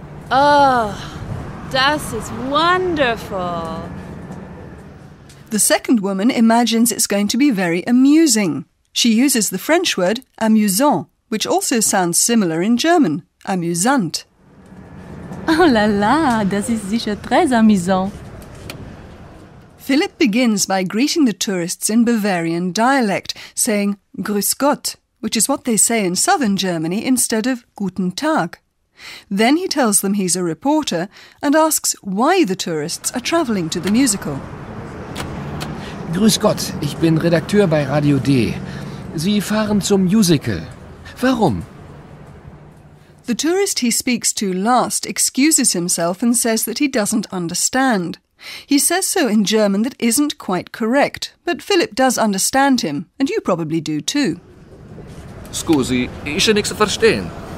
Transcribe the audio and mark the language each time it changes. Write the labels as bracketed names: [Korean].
[German] Oh, das ist wonderful. [English] The second woman imagines it's going to be very amusing. She uses the French word amusant, which also sounds similar in German, amusant. [German] Oh la la, das ist sicher [French] très amusant. [English] Philip begins by greeting the tourists in Bavarian dialect, saying Grüß Gott, which is what they say in southern Germany instead of Guten Tag. Then he tells them he's a reporter and asks why the tourists are travelling to the musical. [German] Grüß Gott, ich bin Redakteur bei Radio D. Sie fahren zum Musical. Warum? [English] The tourist he speaks to last excuses himself and says that he doesn't understand. He says so in German that isn't quite correct, but Philip does understand him, and you probably do too. [German] Scusi, ich kann nichts verstehen.